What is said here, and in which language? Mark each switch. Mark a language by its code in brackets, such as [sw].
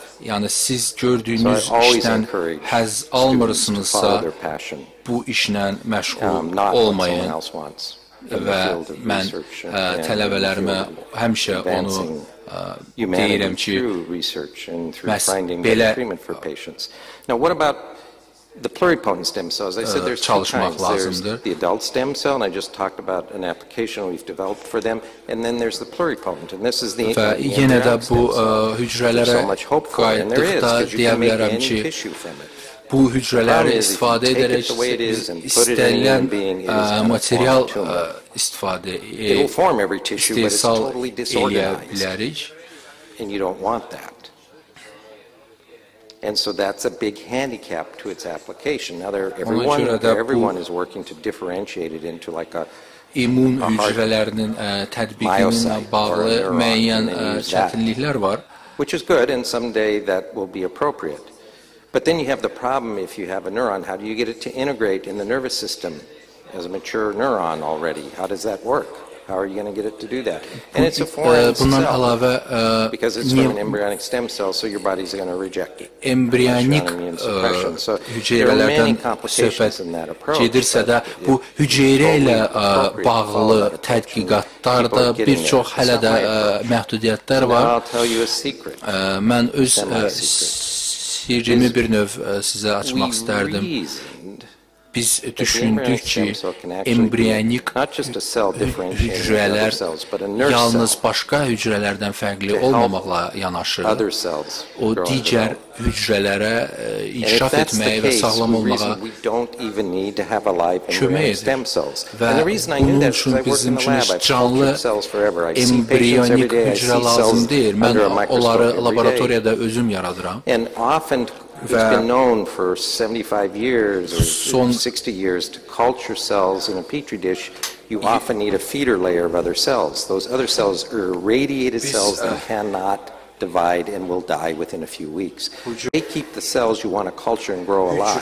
[az] Yəni, siz gördüyünüz işdən həzz almırsınızsa, bu işlə məşğul olmayın və mən tələbələrimə həmişə onu deyirəm ki, məhz belə [en] the pluripotent stem cells. I said there's two kinds. There's the adult stem cell, and I just talked about an application we've developed for them. And then there's the pluripotent, and this is the interesting stem cell. There's so much hope for it, and there is, because you can make any tissue from it. [az] Bu hücrələri istifadə edərək istənilən material istifadə istehsal eləyə bilərik. [en] And you don't want that. And so that's a big handicap to its application. Now everyone is working to differentiate it into like a [az] immune hücrələrinin tətbiqinə bağlı müəyyən çətinliklər var. [en] Which is good, and someday that will be appropriate. But then you have the problem if you have a neuron, how do you get it to integrate in the nervous system as a mature neuron already? How does that work? How are you going to get it to do that? And it's a foreign cell because it's from an embryonic stem cell, so your body's going to reject it. [az] Embryonic hücrələrdən söhbət gedirsə də, bu hücrə ilə bağlı tədqiqatlarda bir çox hələ də məhdudiyyətlər var. Mən öz sirrimi bir növ sizə açmaq istərdim. Biz düşündük ki, embriyonik hücrələr yalnız başqa hücrələrdən fərqli olmamaqla yanaşır. O, digər hücrələrə inkişaf etməyə və sağlam olmağa kömək edir. Və bunun üçün bizim üçün canlı embriyonik hücrə lazım deyil. Mən onları laboratoriyada özüm yaradıram. [en] It's been known for 75 years or 60 years to culture cells in a petri dish. You often need a feeder layer of other cells. Those other cells are irradiated cells that cannot divide and will die within a few weeks. They keep the cells you want to culture and grow alive.